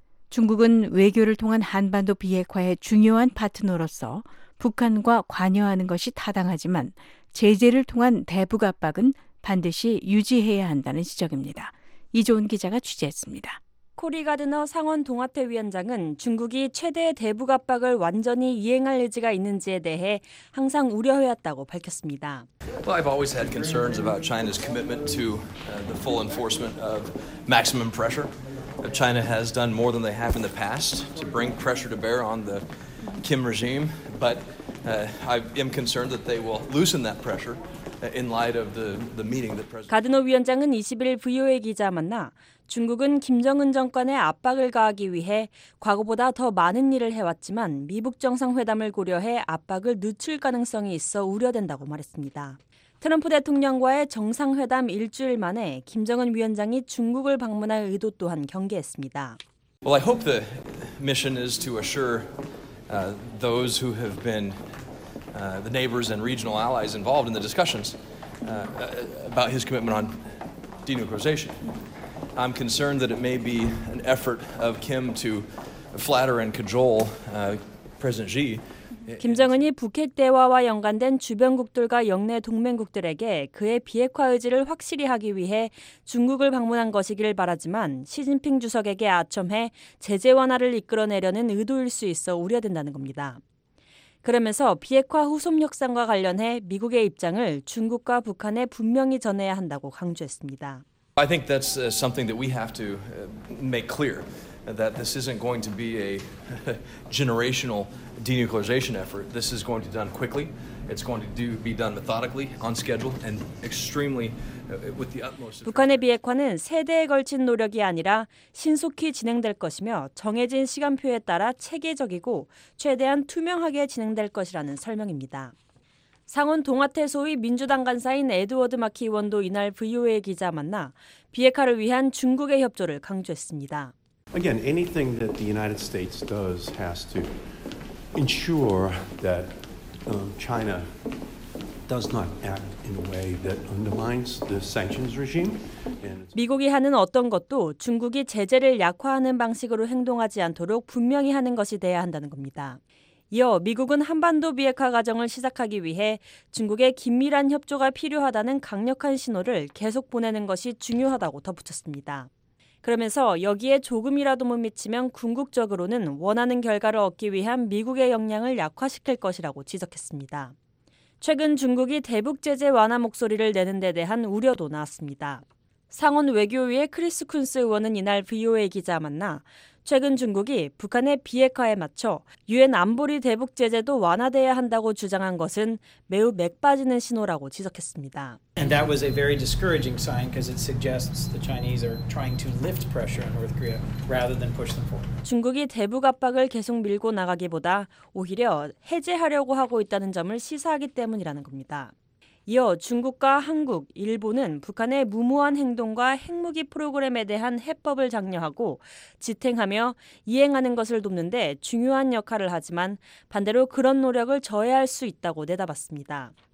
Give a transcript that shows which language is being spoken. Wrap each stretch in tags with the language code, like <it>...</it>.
<ko>중국은 외교를 통한 한반도 비핵화의 중요한 파트너로서 북한과 관여하는 것이 타당하지만 제재를 통한 대북 압박은 반드시 유지해야 한다는 지적입니다. 이조은 기자가 취재했습니다. 코리 가드너 상원 동아태 위원장은 중국이 최대 대북 압박을 완전히 이행할 의지가 있는지에 대해 항상 우려해왔다고 밝혔습니다.</ko> <en>Well, I've always had concerns about China's commitment to the full enforcement of maximum pressure. China has done more than they have in the past to bring pressure to bear on the Kim regime, but I am concerned that they will loosen that pressure in light of the meeting that President</en> <ko>가드너 위원장은 20일 VOA 기자 만나 중국은 김정은 정권에 압박을 가하기 위해 과거보다 더 많은 일을 해왔지만 미북 정상회담을 고려해 압박을 늦출 가능성이 있어 우려된다고 말했습니다. 트럼프 대통령과의 정상회담 일주일 만에 김정은 위원장이 중국을 방문할 의도 또한 경계했습니다.</ko> <en>Well, I hope the mission is to assure those who have been the neighbors and regional allies involved in the discussions about his commitment on denuclearization. I'm concerned that it may be an effort of Kim to flatter and cajole President Xi.</en> <ko>김정은이 북핵 대화와 연관된 주변국들과 영내 동맹국들에게 그의 비핵화 의지를 확실히 하기 위해 중국을 방문한 것이길 바라지만 시진핑 주석에게 아첨해 제재 완화를 이끌어내려는 의도일 수 있어 우려된다는 겁니다. 그러면서 비핵화 후속 협상과 관련해 미국의 입장을 중국과 북한에 분명히 전해야 한다고 강조했습니다.</ko> <en>I think that's something that we have to make clear. That this isn't going to be a generational denuclearization effort. This is going to be done quickly. It's going to be done methodically, on schedule, and extremely with the utmost.</en> <ko>북한의 비핵화는 세대에 걸친 노력이 아니라 신속히 진행될 것이며 정해진 시간표에 따라 체계적이고 최대한 투명하게 진행될 것이라는 설명입니다. 상원 동아태 소위 민주당 간사인 에드워드 마키 의원도 이날 VOA 기자 만나 비핵화를 위한 중국의 협조를 강조했습니다.</ko> <en>Again, anything that the United States does has to ensure that China does not act in a way that undermines the sanctions regime.</en> <ko>미국이 하는 어떤 것도 중국이 제재를 약화하는 방식으로 행동하지 않도록 분명히 하는 것이 돼야 한다는 겁니다. 이어 미국은 한반도 비핵화 과정을 시작하기 위해 중국의 긴밀한 협조가 필요하다는 강력한 신호를 계속 보내는 것이 중요하다고 덧붙였습니다. 그러면서 여기에 조금이라도 못 미치면 궁극적으로는 원하는 결과를 얻기 위한 미국의 역량을 약화시킬 것이라고 지적했습니다. 최근 중국이 대북 제재 완화 목소리를 내는 데 대한 우려도 나왔습니다. 상원 외교위의 크리스 쿤스 의원은 이날 VOA 기자 만나 최근 중국이 북한의 비핵화에 맞춰 유엔 안보리 대북 제재도 완화돼야 한다고 주장한 것은 매우 맥 빠지는 신호라고 지적했습니다.</ko> <en>And that was a very discouraging sign because it suggests the Chinese are trying to lift pressure on North Korea rather than push them forward.</en> <ko>중국이 대북 압박을 계속 밀고 나가기보다 오히려 해제하려고 하고 있다는 점을 시사하기 때문이라는 겁니다. 이어 중국과 한국, 일본은 북한의 무모한 행동과 핵무기 프로그램에 대한 해법을 장려하고 지탱하며 이행하는 것을 돕는 데 중요한 역할을 하지만 반대로 그런 노력을 저해할 수 있다고 내다봤습니다.</ko>